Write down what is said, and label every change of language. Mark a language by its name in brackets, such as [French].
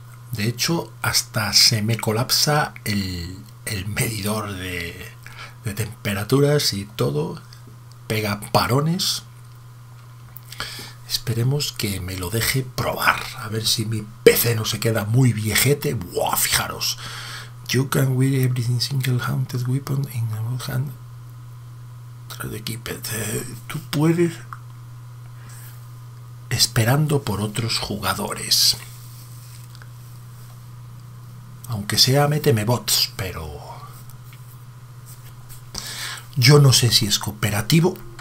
[Spanish] De hecho, hasta se me colapsa el medidor de temperaturas y todo. Pega parones. Esperemos que me lo deje probar. A ver si mi PC no se queda muy viejete. Buah, fijaros. [English] You can wield every single haunted weapon in a one hand. [Spanish] De equipo, tú puedes esperando por otros jugadores, aunque sea méteme bots, pero yo no sé si es cooperativo.